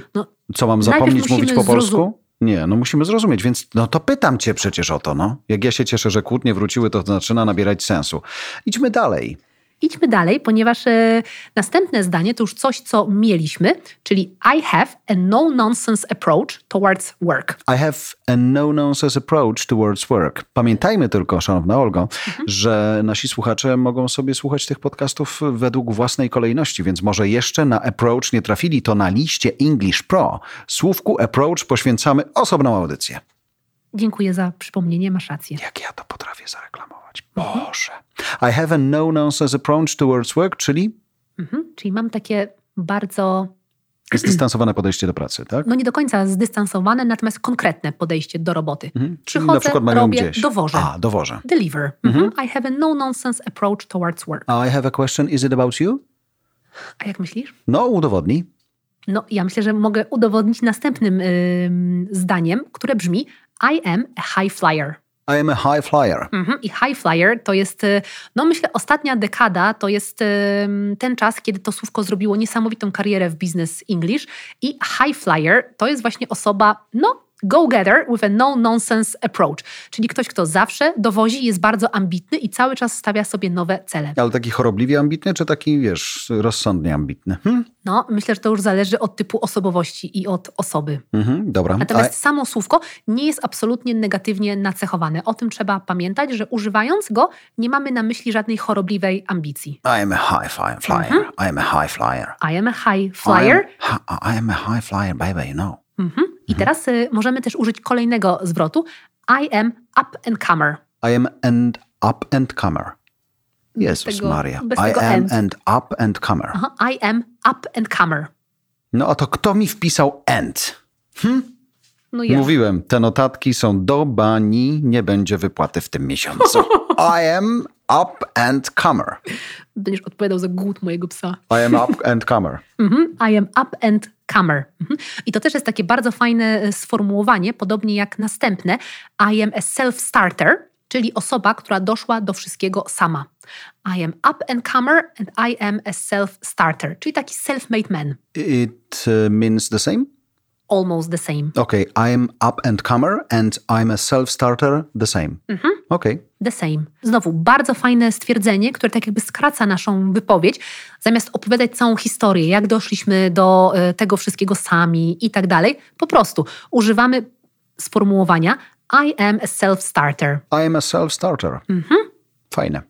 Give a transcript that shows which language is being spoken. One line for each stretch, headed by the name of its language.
Polish: No, co, mam zapomnieć mówić po polsku? Nie, no musimy zrozumieć, więc no to pytam cię przecież o to, no. Jak ja się cieszę, że kłótnie wróciły, to zaczyna nabierać sensu. Idźmy dalej. Idźmy dalej, ponieważ następne zdanie to już coś, co mieliśmy, czyli
English: I have a no-nonsense approach towards work. I have a no-nonsense approach towards work.
Polish: Pamiętajmy tylko, szanowna Olgo, że nasi słuchacze mogą sobie słuchać tych podcastów według własnej kolejności, więc może jeszcze na approach nie trafili, to na liście English Pro. Słówku approach poświęcamy osobną audycję. Dziękuję za przypomnienie, masz rację. Jak ja to potrafię zareklamować. Boże.
English: I have a no-nonsense approach towards work,
Polish: czyli? Czyli mam takie bardzo... Zdystansowane podejście do pracy, tak? No nie do końca zdystansowane, natomiast konkretne podejście do roboty. Przychodzę, na przykład robię, gdzieś. Dowożę. A, dowożę.
English: Deliver. I have a no-nonsense approach towards work. I have a question, is it about you?
Polish: A jak myślisz? No, udowodnij. No, ja myślę, że mogę udowodnić następnym zdaniem, które brzmi
English: I am a high flyer. I am a high flyer.
Polish: I high flyer to jest, no myślę, ostatnia dekada to jest ten czas, kiedy to słówko zrobiło niesamowitą karierę w Business English. I high flyer to jest właśnie osoba, no
English: go-getter with a no-nonsense approach.
Polish: Czyli ktoś, kto zawsze dowozi, jest bardzo ambitny i cały czas stawia sobie nowe cele. Ale taki chorobliwie ambitny, czy taki, wiesz, rozsądnie ambitny? No, myślę, że to już zależy od typu osobowości i od osoby. Dobra. Natomiast samo słówko nie jest absolutnie negatywnie nacechowane. O tym trzeba pamiętać, że używając go nie mamy na myśli żadnej chorobliwej ambicji.
English: I am a high flyer. I am a high flyer. I am a high flyer. I am a high flyer, baby, you know.
Polish: I teraz możemy też użyć kolejnego zwrotu.
English: I am up and comer. I am an up and comer.
Polish: Jezus Maria.
English: I am and up and comer. Aha, I am up and comer.
Polish: No a to kto mi wpisał and? No ja. Mówiłem, te notatki są do bani, nie będzie wypłaty w tym miesiącu.
English: I am up and comer.
Polish: Będziesz odpowiadał za głód mojego psa.
English: I am up and comer. I am up and comer.
Polish: I to też jest takie bardzo fajne sformułowanie, podobnie jak następne.
English: I am a self-starter,
Polish: czyli osoba, która doszła do wszystkiego sama.
English: I am up and comer and I am a self-starter,
Polish: czyli taki
English: self-made man. It means the same? Almost the same. Okay, I am up and comer and I'm a self-starter, the same. Okay. The same.
Polish: Znowu, bardzo fajne stwierdzenie, które tak jakby skraca naszą wypowiedź, zamiast opowiadać całą historię, jak doszliśmy do tego wszystkiego sami i tak dalej, po prostu używamy sformułowania
English: I am a self-starter. I am a self-starter.
Polish: Fajne.